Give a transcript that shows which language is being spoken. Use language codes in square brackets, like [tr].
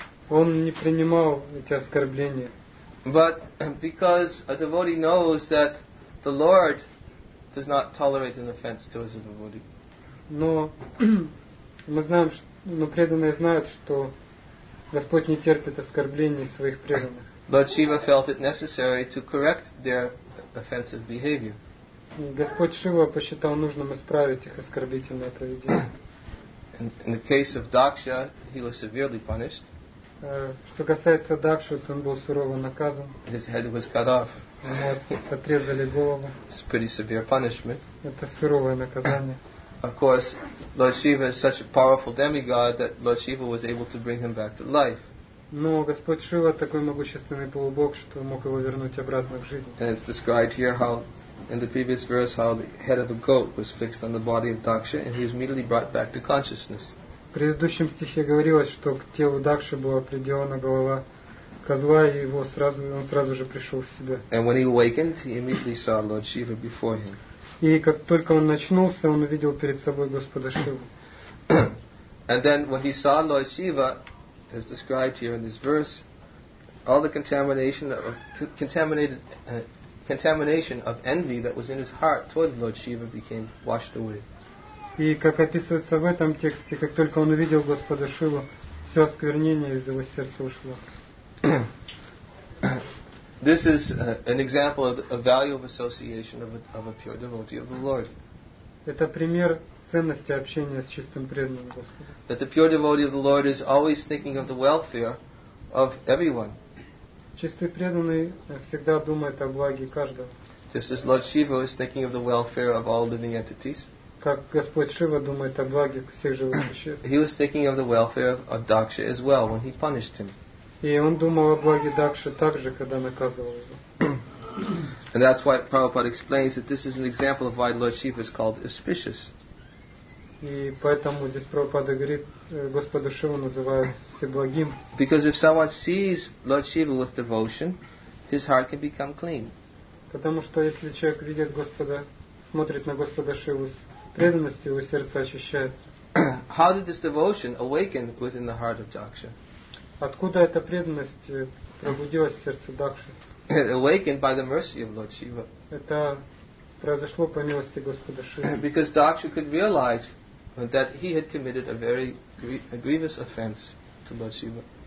[ru] Он не принимал эти оскорбления. [en] But because a devotee knows that the Lord does not tolerate an offense to his devotee. [ru] Но преданные знают, что Господь не терпит оскорблений своих преданных. [en] Lord Shiva felt it necessary to correct their offensive behavior. [ru] Господь Шива посчитал нужным исправить их оскорбительное поведение. [en] In the case of Daksha, he was severely punished. [ru] Что касается Дакши, он был сурово наказан. [en] His head was cut off. [ru] Ему отрезали голову. [en] It's pretty severe punishment. [ru] Это суровое наказание. [en] Of course, Lord Shiva is such a powerful demigod that Lord Shiva was able to bring him back to life. [ru] Но Господь Шива такой могущественный полубог, что мог его вернуть обратно в жизнь. [en] And it's described here how, in the previous verse, how the head of a goat was fixed on the body of Daksha and he was immediately brought back to consciousness. [ru] В предыдущем стихе говорилось, что к телу Дакши была приделана голова козла, и его сразу, он сразу же пришел в себя. [en] And when he awakened, he immediately saw Lord Shiva before him. [ru] И как только он очнулся, он увидел перед собой Господа Шиву. [en] And then when he saw Lord Shiva, as described here in this verse, all the contamination of envy that was in his heart towards Lord Shiva became washed away. [ru] И как описывается в этом тексте, как только он увидел Господа Шиву, все осквернение из его сердца ушло. [en] This is an example of the value of association of a pure devotee of the Lord. [ru] Это пример ценности общения с чистым преданным Господа. [en] That the pure devotee of the Lord is always thinking of the welfare of everyone. [ru] Чистый преданный всегда думает о благе каждого. [en] Just as Lord Shiva is thinking of the welfare of all living entities. [ru] Как Господь Шива думает о благе всех живых существ. [en] He was thinking of the welfare of Daksha as well when he punished him. [ru] И он думал о благе Дакши также, когда наказывал его. [en] And that's why Prabhupada explains that this is an example of why Lord Shiva is called auspicious. [ru] И поэтому здесь Прабхупада говорит, Господа Шиву называют всеблагим. [en] Because if someone sees Lord Shiva with devotion, his heart can become clean. [ru] Потому что если человек видит Господа, смотрит на Господа Шиву с преданностью, его сердце очищается. [en] How did this devotion awaken within the heart of Daksha? [ru] Откуда эта преданность пробудилась в сердце Дакши? [en] It awakened by the mercy of Lord Shiva. [ru] Это произошло по милости Господа Шивы. [en] Because Daksha could realize that he had committed a very grievous offense to Lord Shiva.